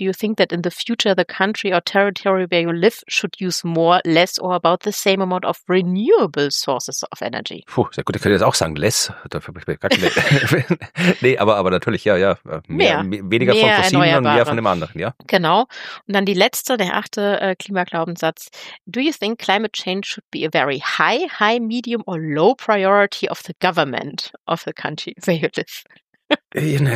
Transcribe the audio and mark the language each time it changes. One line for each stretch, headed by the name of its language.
English: Do you think that in the future the country or territory where you live should use more, less or about the same amount of renewable sources of energy?
German: Puh, sehr gut. Ich könnte jetzt auch sagen less. Dafür bin ich gar nicht mehr. Nee, aber natürlich, ja. Mehr von fossilen und mehr von dem anderen, ja. Genau. Und dann die letzte, der 8. Klimaglaubenssatz.
English: Do you think climate change should be a very high, medium or low priority of the government of the country where you live?